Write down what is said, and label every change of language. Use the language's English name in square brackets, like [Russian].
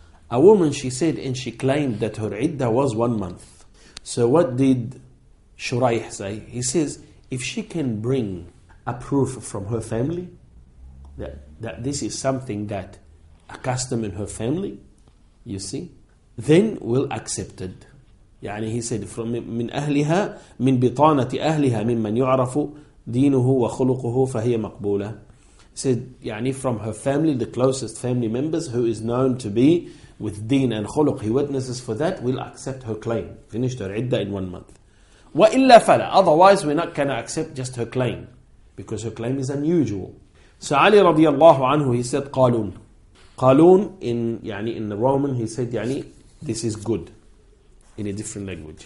[English] A woman, she said, and she claimed that her iddah was 1 month. So what did Shuraih say? He says, if she can bring a proof from her family that this is something that a custom in her family, you see, then we'll accept it. [Arabic] يعني [English] he said from [Arabic] من أهلها من بطانة أهلها ممن يعرف دينه وخلقه فهي مقبولة. [English] Said يعني from her family, the closest family members who is known to be with deen and khuluq, he witnesses for that, we'll accept her claim. Finished her iddah in 1 month. [Arabic] وإلا فلا. [English] Otherwise we're not gonna accept just her claim, because her claim is unusual. So Ali رضي الله عنه, he said قالون. قالون in يعني in the Roman, he said يعني this is good. In a different language.